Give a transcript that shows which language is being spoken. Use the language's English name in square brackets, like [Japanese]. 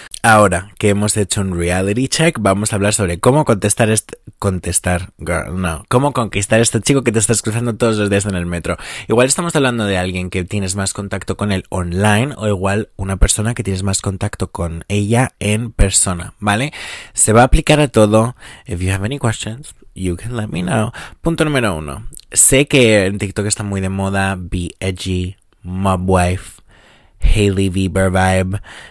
[Spanish] Ahora que hemos hecho un [English] reality check, [Spanish] vamos a hablar sobre cómo contestar este. Contestar, girl, no. Cómo conquistar a este chico que te estás cruzando todos los días en el metro. Igual estamos hablando de alguien que tienes más contacto con él online, o igual una persona que tienes más contacto con ella en persona, ¿vale? Se va a aplicar a todo. [English] If you have any questions, you can let me know. [Spanish] Punto número uno. Sé que en TikTok está muy de moda [English] be edgy, mob wife, [Spanish] Hailey Bieber vibe.